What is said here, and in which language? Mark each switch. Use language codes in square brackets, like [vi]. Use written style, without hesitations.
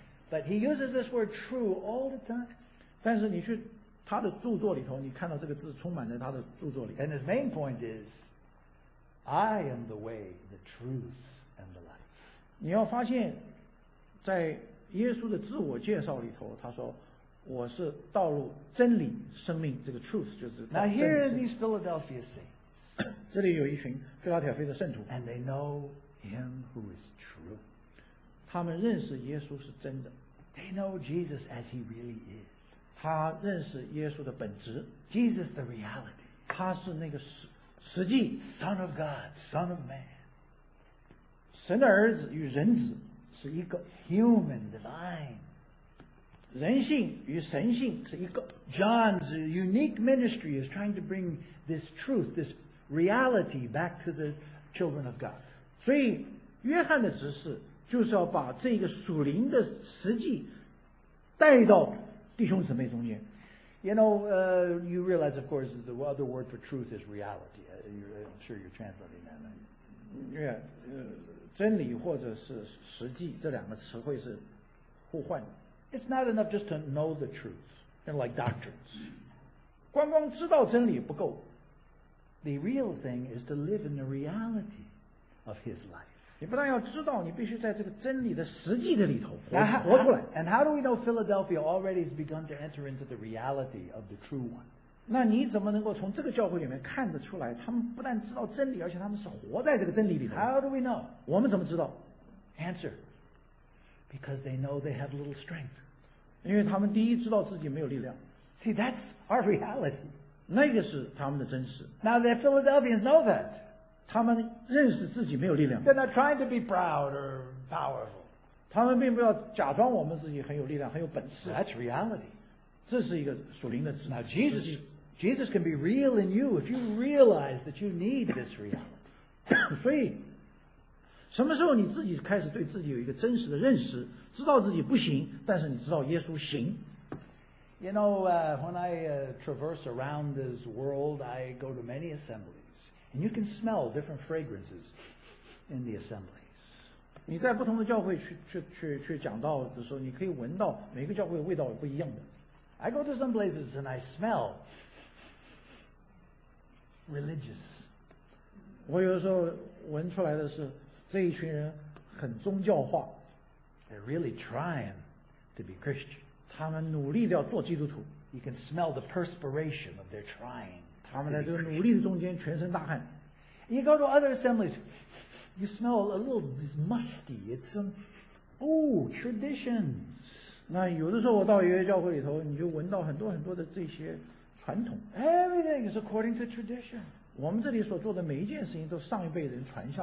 [en] But he uses this word true all the time. [zh] 但是你去他的著作里头，你看到这个字充满在他的著作里。 [en] And his main point is, I am the way, the truth, and the life. [zh] 你要发现，在耶稣的自我介绍里头，他说，我是道路、真理、生命。这个 truth 就是。 [en] Now here are these Philadelphia saints. [zh] 这里有一群菲拉铁菲的圣徒。 [en] And they know him who is true. [zh] 他们认识耶稣是真的。 [en] They know Jesus as he really is. [zh] 他认识耶稣的本质。 [en] Jesus the reality. [zh] 他是那个实际。 [en] Son of God, son of man. [zh] 神的儿子与人子是一个。 [en] Human, divine. [zh] 人性与神性是一个。 [en] John's unique ministry is trying to bring this truth, this reality back to the children of God. [zh] 所以约翰的职事就是要把这个属灵的实际带到弟兄姊妹中间。 [en] You know, you realize, of course, the other word for truth is reality. I'm sure you're translating that. [zh] Yeah, 真理或者是实际这两个词汇是互换的。 [en] It's not enough just to know the truth, like doctrines. [zh] 光光知道真理不够。 [en] The real thing is to live in the reality of his life. [zh] 你不但要知道，你必须在这个真理的实际的里头 活出来。 [en] And how do we know Philadelphia already has begun to enter into the reality of the true one? [zh] 那你怎么能够从这个教会里面看得出来，他们不但知道真理，而且他们是活在这个真理里头？ [en] How do we know? [zh] 我们怎么知道？ [en] Answer. Because they know they have little strength. [zh] 因为他们第一知道自己没有力量。 [en] See, that's our reality. [zh] 那个是他们的真实。 [en] Now the Philadelphians know that. [zh] 他们认识自己没有力量。 [en] They're not trying to be proud or powerful. [zh] 他们并不要假装我们自己很有力量，很有本事。 [en] That's reality. [zh] 这是一个属灵的实际。 [en] Now Jesus can be real in you if you realize that you need this reality. [zh] 所以，什么时候你自己开始对自己有一个真实的认识，知道自己不行，但是你知道耶稣行。 [en] You know, when I traverse around this world, I go to many assemblies. And you can smell different fragrances in the assemblies. [zh] 你在不同的教会去讲道的时候，你可以闻到每个教会味道不一样的。 [en] I go to some places and I smell religious. [zh] 我有时候闻出来的是这一群人很宗教化。 [en] They're really trying to be Christian. [zh] 他们努力地要做基督徒。 [en] You can smell the perspiration of their trying. [zh] 他们在这个努力的中间全身大汗。 [en] You go to other assemblies, you smell a little this musty. It's some, traditions. [zh] 那有的时候我到一个教会里头，你就闻到很多很多的这些传统。 [en] Everything is according to tradition. [zh] 我们这里所做的每一件事情都上一辈人传下。